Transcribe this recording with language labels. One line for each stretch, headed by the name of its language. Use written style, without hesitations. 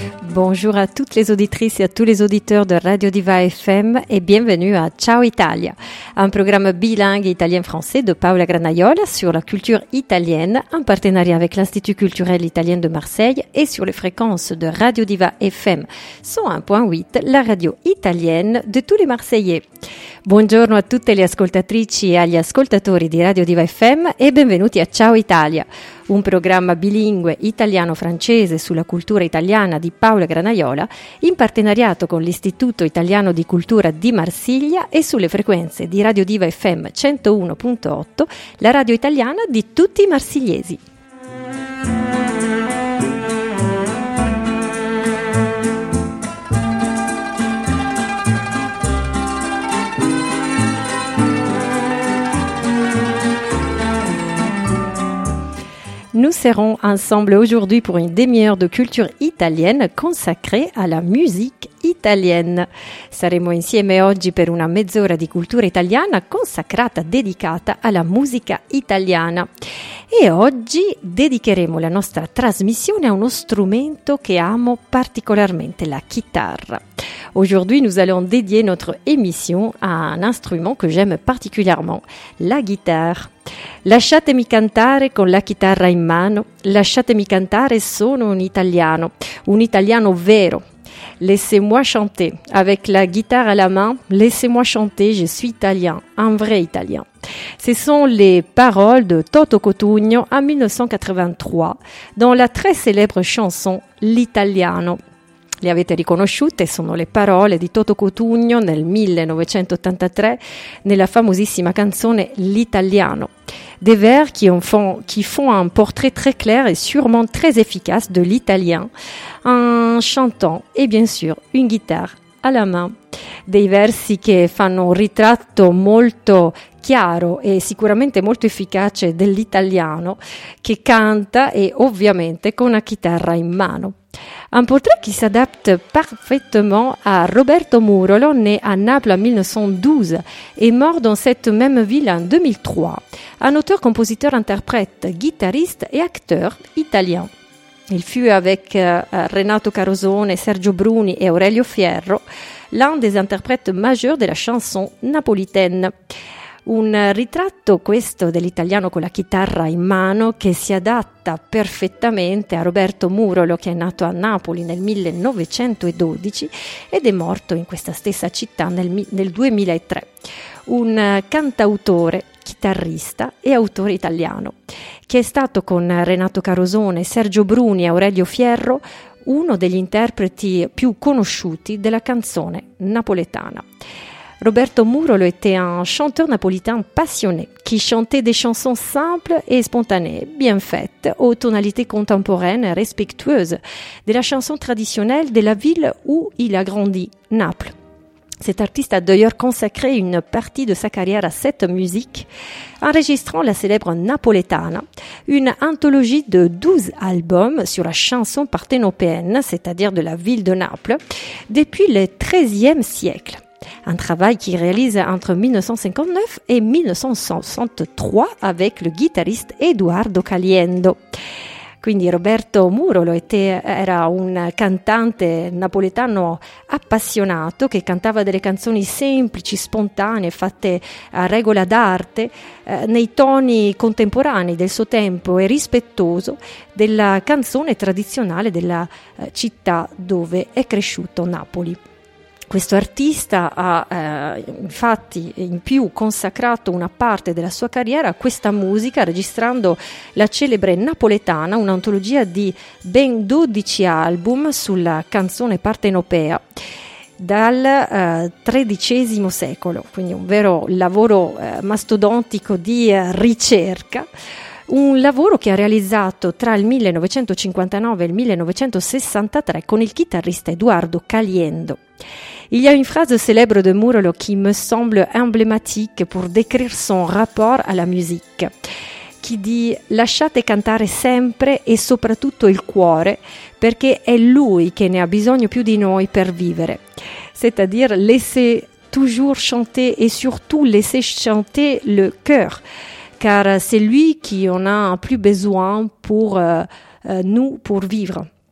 French: Bonjour à toutes les auditrices et à tous les auditeurs de Radio Diva FM et bienvenue à Ciao Italia, un programme bilingue italien-français de Paola Granaiola sur la culture italienne en partenariat avec l'Institut culturel italien de Marseille et sur les fréquences de Radio Diva FM 101.8, la radio italienne de tous les Marseillais.
Italian: Buongiorno a tutte le ascoltatrici e agli ascoltatori di Radio Diva FM e benvenuti a Ciao Italia, un programma bilingue italiano-francese sulla cultura italiana di Paola Granaiola in partenariato con l'Istituto Italiano di Cultura di Marsiglia e sulle frequenze di Radio Diva FM 101.8, la radio italiana di tutti i marsigliesi.
French: Nous serons ensemble aujourd'hui pour une demi-heure de culture italienne consacrée à la musique italienne.
Italian: Saremo insieme oggi per una mezz'ora di cultura italiana consacrata, dedicata alla musica italiana. E oggi dedicheremo la nostra trasmissione a uno strumento che amo particolarmente, la chitarra.
French: Aujourd'hui, nous allons dédier notre émission à un instrument que j'aime particulièrement, la guitare.
Italian: Lasciatemi cantare con la chitarra in mano, lasciatemi cantare, sono un italiano vero.
French: Laissez-moi chanter, avec la guitare à la main, laissez-moi chanter, je suis italien, un vrai italien. Ce sont les paroles de Toto Cotugno en 1983, dans la très célèbre chanson « L'Italiano ».
Italian: Le avete riconosciute, sono le parole di Toto Cotugno nel 1983, nella famosissima canzone « L'Italiano ».
French: Des vers qui font un portrait très clair et sûrement très efficace de l'italien en chantant et bien sûr une guitare à la main.
Italian: Dei versi che fanno un ritratto molto chiaro e sicuramente molto efficace dell'italiano che canta e ovviamente con una chitarra in mano.
French: Un portrait qui s'adapte parfaitement à Roberto Murolo, né à Naples en 1912 et mort dans cette même ville en 2003, un auteur, compositeur, interprète, guitariste et acteur italien. Il fut avec Renato Carosone, Sergio Bruni et Aurelio Fierro l'un des interprètes majeurs de la chanson napolitaine.
Italian: Un ritratto questo dell'italiano con la chitarra in mano che si adatta perfettamente a Roberto Murolo, che è nato a Napoli nel 1912 ed è morto in questa stessa città nel 2003. Un cantautore, chitarrista e autore italiano, che è stato con Renato Carosone, Sergio Bruni e Aurelio Fierro uno degli interpreti più conosciuti della canzone napoletana.
French: Roberto Murolo était un chanteur napolitain passionné qui chantait des chansons simples et spontanées, bien faites, aux tonalités contemporaines respectueuses de la chanson traditionnelle de la ville où il a grandi, Naples. Cet artiste a d'ailleurs consacré une partie de sa carrière à cette musique, enregistrant la célèbre Napoletana, une anthologie de 12 albums sur la chanson parthénopéenne, c'est-à-dire de la ville de Naples, depuis le XIIIe siècle. Un travail qu'il réalise entre 1959 et 1963 avec le guitariste Eduardo Caliendo.
Italian: Quindi Roberto Murolo era un cantante napoletano appassionato che cantava delle canzoni semplici, spontanee, fatte a regola d'arte, nei toni contemporanei del suo tempo e rispettoso della canzone tradizionale della città dove è cresciuto, Napoli. Questo artista ha infatti in più consacrato una parte della sua carriera a questa musica, registrando la celebre Napoletana, un'antologia di ben 12 album sulla canzone partenopea, dal XIII secolo, quindi un vero lavoro mastodontico di ricerca. Un lavoro che ha realizzato tra il 1959 e il 1963 con il chitarrista Eduardo Caliendo.
French: Il y a une phrase célèbre de Murolo qui me semble emblématique pour décrire son rapport à la musique, qui dit «
Italian: Lasciate cantare sempre e soprattutto il cuore, perché è lui che ne ha bisogno più di noi per vivere.
French: » C'est-à-dire « Laissez toujours chanter et surtout laissez chanter le cœur. » Car c'est lui qui en a plus besoin pour nous, pour vivre.